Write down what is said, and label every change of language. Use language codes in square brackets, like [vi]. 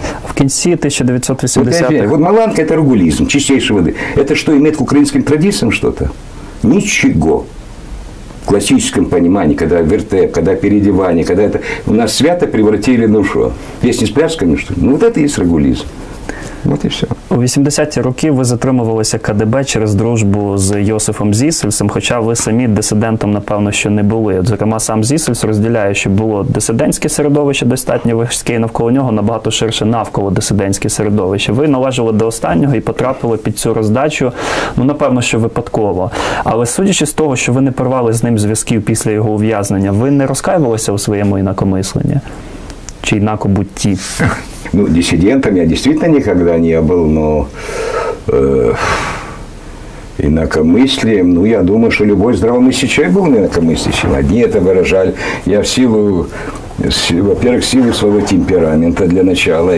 [uk] В кінці 1980-х. [ru] Вот Маланка – это рогулизм, чистейшей воды. Это что, имеет к украинским традициям что-то? Ничего. В классическом понимании, когда вертеп, когда переодевание, когда это у нас свято превратили, ну что, песни с плясками, что ли? Ну вот это и есть рогулизм. Вот и все. [uk] У 80-ті роки ви затримувалися КДБ через дружбу з Йосифом Зісельсом, хоча ви самі дисидентом, напевно, що не були. Зокрема, сам Зісельс розділяє, що було дисидентське середовище достатньо важке, і навколо нього набагато ширше навколо дисидентське середовище. Ви належали до останнього і потрапили під цю роздачу, ну, напевно, що випадково. Але судячи з того, що ви не порвали з ним зв'язків після його ув'язнення, ви не розкаювалися у своєму інакомисленні? Чи інакобутті? [ru] Ну, диссидентом я действительно никогда не был, но инакомыслием, ну, я думаю, что любой здравомыслящий человек был инакомыслящим. Одни это выражали. Я в силу, во-первых, в силу своего темперамента для начала.